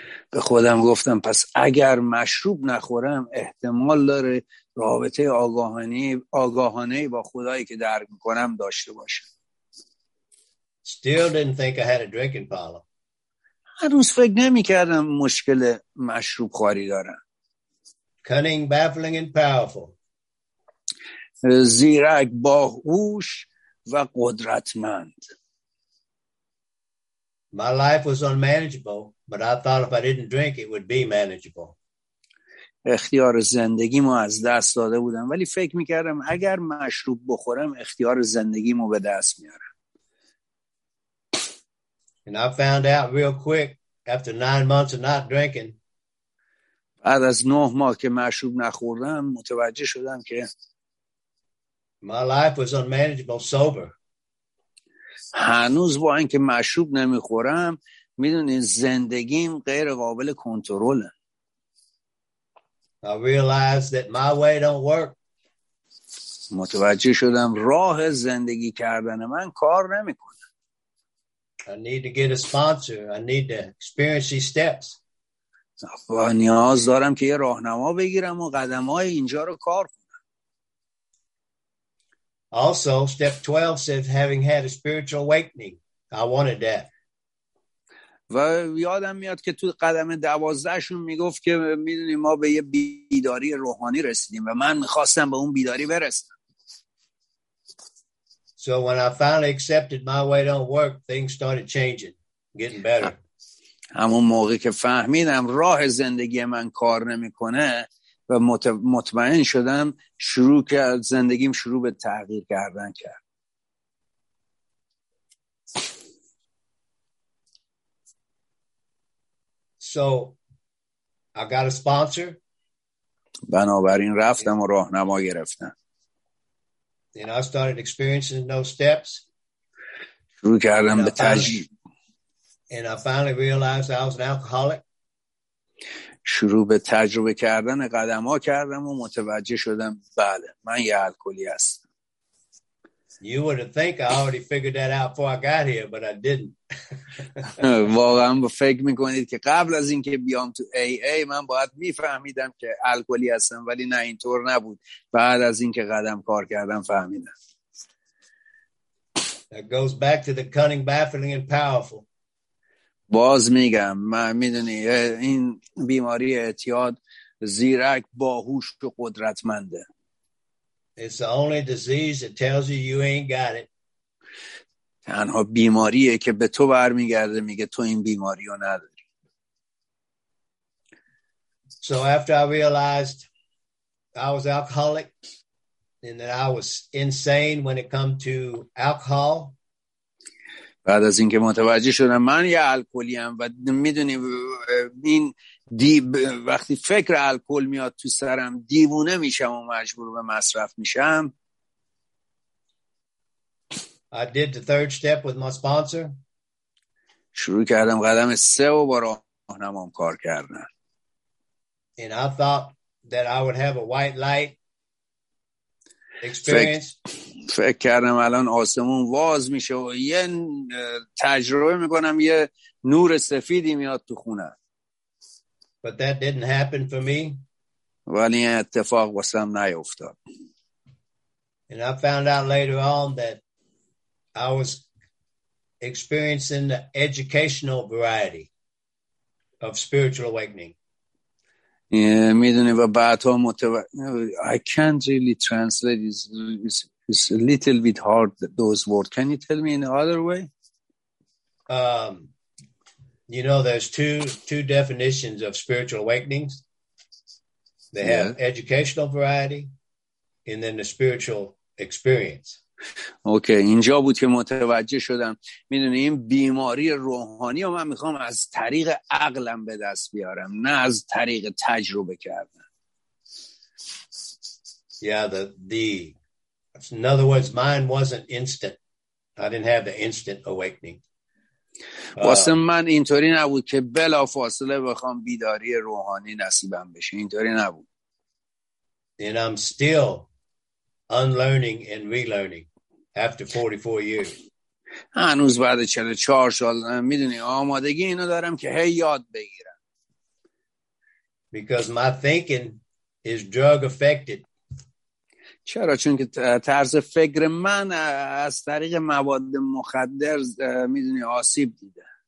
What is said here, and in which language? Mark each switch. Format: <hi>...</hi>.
<fa>به خودم گفتم پس اگر مشروب نخورم احتمال داره رابطه آگاهانه با خدایی که درک میکنم داشته باشم.</fa> <en>Still didn't think I had a drinking problem.</en> <fa>هنوز فکر نمیکردم مشکل مشروب خواری دارم.</fa> <en>Cunning, baffling and powerful.</en> <fa>زیرک، باهوش و قدرتمند.</fa> <en>My life was unmanageable, but I thought if I didn't drink it would be manageable.</en> <fa>اختیار زندگیمو از دست داده بودم ولی فکر میکردم اگر مشروب بخورم اختیار زندگیمو به دست میارم.</fa> <en>And I found out real quick after 9 months of not drinking.</en> <fa>بعد از 9 ماه که مشروب نخوردم متوجه شدم که</fa> <en>my life was unmanageable sober.</en> <fa>هنوز با اینکه مشروب نمیخورم میدونی زندگیم غیر قابل کنترله.</fa> <en>I realized that my way don't work.</en> <fa>متوجه شدم راه زندگی کردن من کار نمیکنه.</fa> <en>I need to get a sponsor. I need to experience these steps.</en> <fa>نیاز دارم که یه راهنما بگیرم و قدمهای اینجا رو کار کنم.</fa> <en>Also, step 12 says having had a spiritual awakening. I wanted that.</en> <fa>و یادم میاد که تو قدم 12شون میگفت که میدونی ما به یه بیداری روحانی رسیدیم و من میخواستم به اون بیداری برسم.</fa> <en>So when I finally accepted my way don't work, things started changing, getting better.</en> <fa>همون موقع که فهمیدم راه زندگی من کار نمیکنه و مطمئن شدم شروع کرد زندگیم شروع به تغییر کردن کرد.</fa> <en>So I got a sponsor.</en> <fa>بنابراین رفتم و راهنما گرفتم.</fa> <en>Then I started experiencing those steps.</en> <fa>شروع کردم به تجربه.</fa> <en>And I finally realized I was an alcoholic.</en> <fa>شروع به تجربه کردن قدم ها کردم و متوجه شدم بله من یه الکلی هستم.</fa> <en>You would think I already figured that out before I got here, but I didn't.</en> <fa>واقعا فکر میکنید که قبل از اینکه بیام تو AA من باید میفهمیدم که الکلی هستم ولی نه اینطور نبود. بعد از اینکه قدم کار کردم فهمیدم.</fa> <en>That goes back to the cunning, baffling and powerful.</en> <fa>باز میگم من میدونی این بیماری اعتیاد زیرک باهوش و قدرتمنده.</fa> <en>It's the only disease that tells you you ain't got it.</en> <fa>تنها بیماریه که به تو برمیگرده میگه تو این بیماری رو نداری.</fa> <en>So after I realized I was alcoholic and that I was insane when it come to alcohol.</en> <fa>بعد از اینکه متوجه شدم من یه الکلی ام و میدونی این دیب وقتی فکر الکل میاد تو سرم دیوونه میشم و مجبور به مصرف میشم.</fa> <en>I did the third step with my sponsor.</en> <fa>شروع کردم قدم سه و با راه مهنم هم کار کردن.</fa> <en>And I thought that I would have a white light experience.</en> <fa>فکر کردم الان آسمون واز میشه و یه تجربه میکنم، یه نور سفیدی میاد تو خونه.</fa> <en>But that didn't happen for me.</en> <fa>ولی اتفاق واسم نیفتاد.</fa> <en>And I found out later on that I was experiencing the educational variety of spiritual awakening.</en> <fa>میدونی و بعد ها</fa> <en>I can't really translate it's a little bit hard those words. Can you tell me in other way? You know, there's two definitions of spiritual awakenings. They have educational variety and then the spiritual experience.</en> <fa>اوکی اینجا بود که متوجه شدم میدونی این بیماری روحانی رو من میخوام از طریق عقلم به دست بیارم نه از طریق تجربه کردن.</fa> <en>Yeah, in other words mine wasn't instant. I didn't have the instant awakening.</en> <fa>واسه من اینطوری نبود که بلا فاصله بخوام بیداری روحانی نصیبم بشه، اینطوری نبود.</fa> <en>And I'm still unlearning and relearning after 44 years.</en> <fa>هنوز بعد 44 سال میدونی آمادگی اینو دارم که هی یاد بگیرم.</fa> <en>Because my thinking is drug affected.</en> <fa>چرا؟ چون که طرز فکر من از طریق مواد مخدر میدونی آسیب دیده.</fa>